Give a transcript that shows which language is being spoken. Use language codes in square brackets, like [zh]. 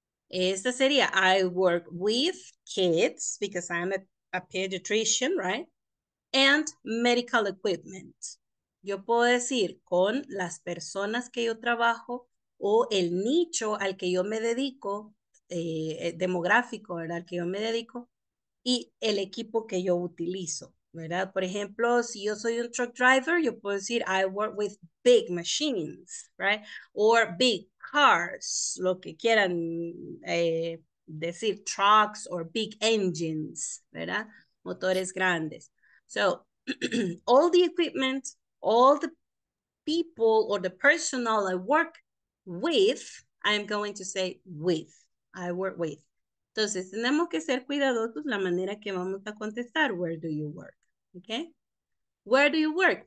[es] Esta sería [en] I work with kids because I'm a pediatrician, right? And medical equipment. [es] Yo puedo decir con las personas que yo trabajo o el nicho al que yo me dedico, demográfico, ¿verdad? Al que yo me dedico y el equipo que yo utilizo, ¿verdad? Por ejemplo, si yo soy un truck driver, yo puedo decir [en] I work with big machines, right? Or big cars, [es] lo que quieran decir, [en] trucks or big engines, [es] ¿verdad? Motores grandes. [en] So, all the equipment, all the people or the personnel I work with, I'm going to say with, I work with. [es] Entonces, tenemos que ser cuidadosos la manera que vamos a contestar, [en] where do you work, okay? Where do you work?